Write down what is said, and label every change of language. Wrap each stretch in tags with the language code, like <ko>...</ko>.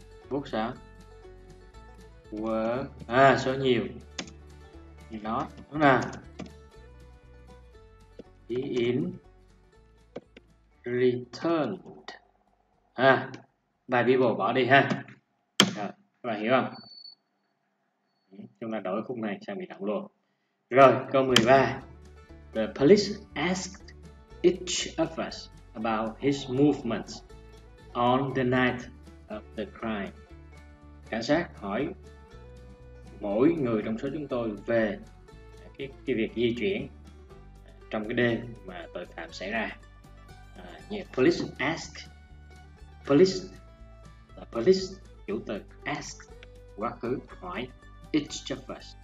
<vi>Book sao? Were, à, số nhiều. Nó, đúng không?</vi> <en>In returned.</en> <vi>À, bài Bible bỏ đi ha. Rồi, các bạn hiểu không? Chúng ta đổi khúc này sang bị động luôn. Rồi, câu 13.</vi> <en>The police asked each of us about his movements on the night of the crime.</en> <vi>Cảnh sát hỏi mỗi người trong số chúng tôi về cái việc di chuyển trong cái đêm mà tội phạm xảy ra.</vi> <en>Police asked. Police. The police</en> <vi>chủ từ</vi> <en>ask</en> <vi>quá khứ hỏi</vi> <en>each of us.</en>